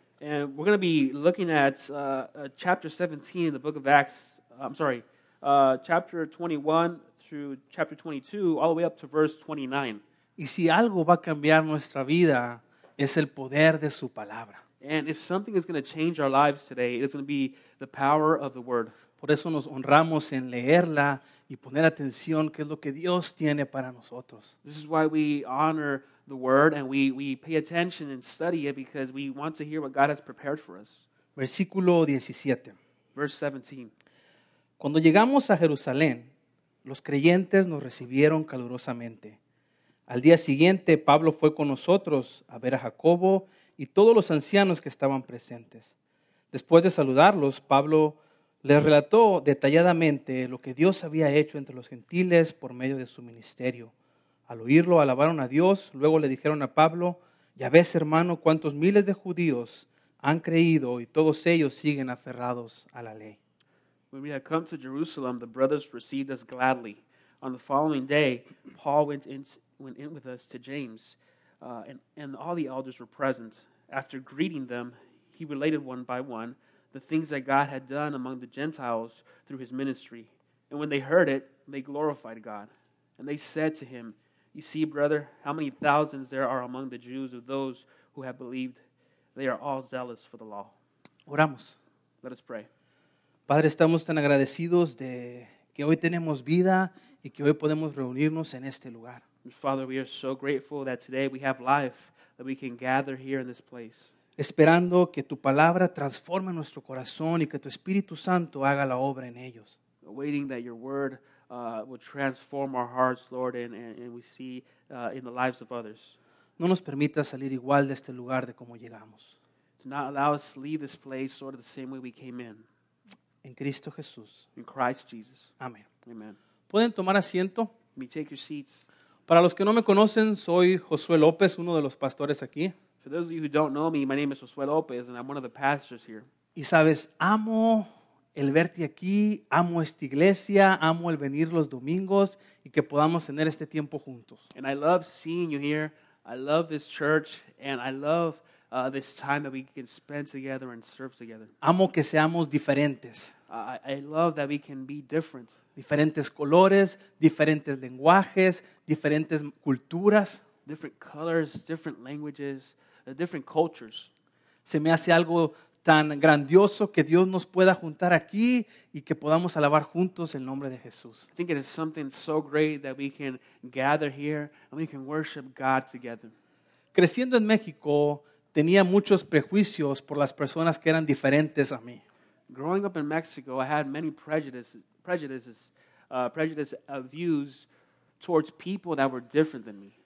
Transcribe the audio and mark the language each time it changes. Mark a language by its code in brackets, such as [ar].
[en] And we're going to be looking at chapter 17 in the book of Acts. I'm sorry, chapter 21 through chapter 22, all the way up to verse 29. [es] Y si algo va a cambiar nuestra vida, es el poder de su palabra. [en] And if something is going to change our lives today, it's going to be the power of the word. [es] Por eso nos honramos en leerla y poner atención qué es lo que Dios tiene para nosotros. [en] This is why we honor the word and we pay attention and study it because we want to hear what God has prepared for us. [es] Versículo 17. [en] Verse 17. [es] Cuando llegamos a Jerusalén, los creyentes nos recibieron calurosamente. Al día siguiente, Pablo fue con nosotros a ver a Jacobo y todos los ancianos que estaban presentes. Después de saludarlos, Pablo les relató detalladamente lo que Dios había hecho entre los gentiles por medio de su ministerio. Al oírlo, alabaron a Dios. Luego le dijeron a Pablo, ya ves, hermano, cuántos miles de judíos han creído y todos ellos siguen aferrados a la ley. [en] When we had come to Jerusalem, the brothers received us gladly. On the following day, Paul went in with us to James, and all the elders were present. After greeting them, he related one by one the things that God had done among the Gentiles through his ministry. And when they heard it, they glorified God. And they said to him, you see, brother, how many thousands there are among the Jews of those who have believed. They are all zealous for the law. [es] Oramos. [en] Let us pray. [es] Padre, estamos tan agradecidos de que hoy tenemos vida y que hoy podemos reunirnos en este lugar. [en] Father, we are so grateful that today we have life, that we can gather here in this place. [es] Esperando que tu palabra transforme nuestro corazón y que tu Espíritu Santo haga la obra en ellos. [en] Waiting that your word will transform our hearts, Lord, and we see in the lives of others. [es] No nos permita salir igual de este lugar de como llegamos. [en] Do not allow us to leave this place sort of the same way we came in. [es] En Cristo Jesús. [en] In Christ Jesus. [es] Amén. [en] Amen. [es] ¿Pueden tomar asiento? [en] Can you take your seats? [es] Para los que no me conocen, soy Josue López, uno de los pastores aquí. [en] For those of you who don't know me, my name is Josue López, and I'm one of the pastors here. [es] Y sabes, amo el verte aquí, amo esta iglesia, amo el venir los domingos y que podamos tener este tiempo juntos. [en] And I love seeing you here. I love this church, and I love this time that we can spend together and serve together. [es] Amo que seamos diferentes. [en] I love that we can be different. [es] Diferentes colores, diferentes lenguajes, diferentes culturas. [en] Different colors, different languages, different cultures. [es] Se me hace algo tan grandioso que Dios nos pueda juntar aquí y que podamos alabar juntos el nombre de Jesús. [en] I think it is something so great that we can gather here and we can worship God together. [es] Creciendo en México, tenía muchos prejuicios por las personas que eran diferentes a mí. [en] Growing up in Mexico, I had many prejudices, views towards people that were different than me.